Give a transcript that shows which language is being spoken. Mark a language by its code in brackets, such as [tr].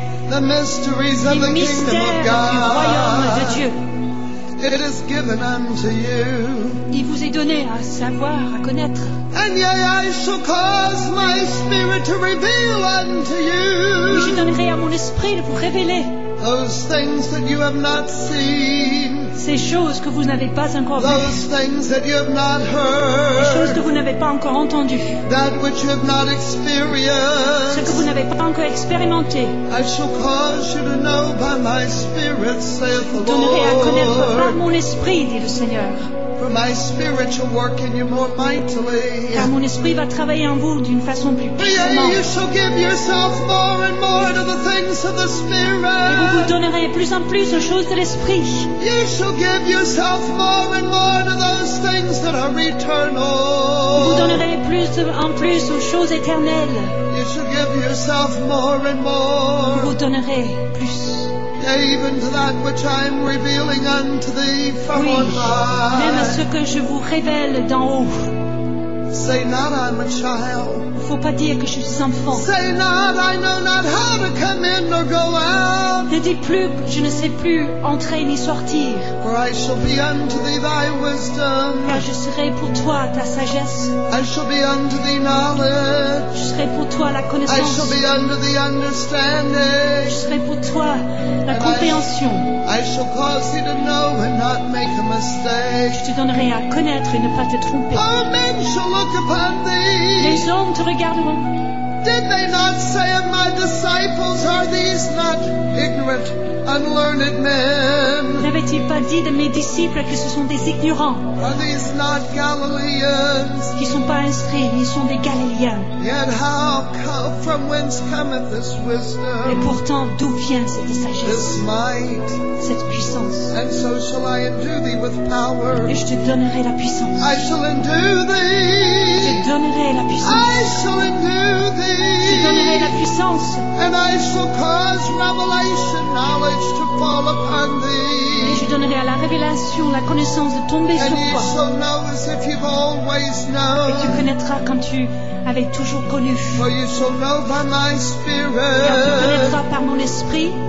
[en] The mysteries of the kingdom of God. [fr] Du royaume de Dieu. [en] It is given unto you. [fr] Il vous est donné à savoir, à connaître. [en] And yea, I shall cause my spirit to reveal unto you. [fr] Oui, je donnerai à mon esprit pour révéler. [en] Those things that you have not seen. [fr] Ces choses que vous n'avez pas encore vues. [en] Those things that you have not heard. [fr] Les choses que vous n'avez pas encore entendues. [en] That which you have not experienced. [fr] Ce que vous n'avez pas encore expérimenté. [en] I shall cause you to know by my spirit, saith the Lord. [fr] Vous donnerez à connaître par mon esprit, dit le Seigneur. [en] For my spirit shall work in you more mightily. [fr] Car mon esprit va travailler en vous d'une façon plus puissante. [en] You shall give yourself more and more to the things of the spirit. [fr] Et vous vous donnerez plus en plus aux choses de l'esprit. [en] You shall give yourself more and more to those things that are eternal. [fr] Vous donnerez plus en plus aux choses éternelles. [en] You shall give yourself more and more. [fr] Vous donnerez plus. [en] Even to that which I am revealing unto thee from [fr] oui, [en] on high. [fr] Même à ce que je vous révèle d'en haut. [en] Say not I'm a child. [fr] Faut pas dire que je suis enfant. [en] Say not I know not how to come in or go out. [fr] Ne dis plus que je ne sais plus entrer ni sortir. [en] For I shall be unto thee thy wisdom. [fr] Car je serai pour toi ta sagesse. [en] I shall be unto thee knowledge. [fr] Je serai pour toi la connaissance. [en] I shall be unto thee understanding. [fr] Je serai pour toi la and compréhension. [en] I shall cause thee to know and not make a mistake. [fr] Je te donnerai à connaître et ne pas te tromper. [en] All men shall look upon thee. [fr] Les hommes te regarderont. [en] Did they not say of my disciples, are these not ignorant, unlearned men? [fr] N'avaient-ils pas dit de mes disciples que ce sont des ignorants? [en] Are these not Galileans? [fr] Qui sont pas instruits, ils sont des Galiléens. [en] Yet how come, from whence cometh this wisdom? [fr] Et pourtant, d'où vient cette sagesse? [en] This might. [fr] Cette puissance. [en] And so shall I endue thee with power. [fr] Et je te donnerai la puissance. [en] I shall endue thee. [fr] Je te donnerai la puissance. [en] I shall endue thee. [fr] Je donnerai la puissance. Et je donnerai à la révélation la connaissance de tomber [en] and [fr] sur toi. [en] Shall know as if you've always known. [fr] Et tu connaîtras comme tu avais toujours connu. [en] For you shall know by my spirit. [fr] Et tu connaîtras par mon esprit.